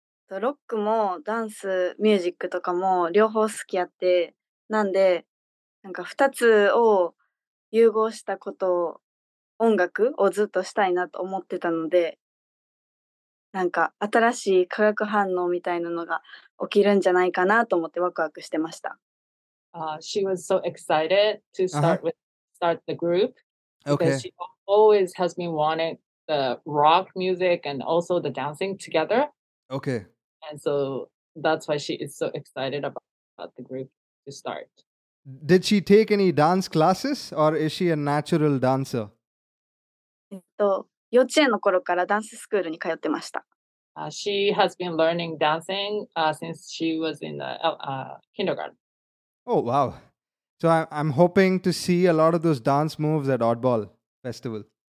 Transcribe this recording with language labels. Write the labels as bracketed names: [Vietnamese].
[Japanese] ロックもダンスミュージックとかも両方好きやってなんでなんか2つを融合したことを音楽をずっとしたいなと思ってたのでなんか新しい化学反応みたいなのが起きるんじゃないかなと思ってワクワクしてました、 [English] She was so excited to start with、uh-huh. start the group Okay. She always has been wanting the rock music and also the dancing together Okay. And so that's why she is so excited about the group to start. Did she take any dance classes or is she a natural dancer? [Japanese] 幼稚園の頃からダンススクールに通ってました。 [English] She has been learning dancing since she was in kindergarten. Oh, wow. So I'm hoping to see a lot of those dance moves at Oddball Festival.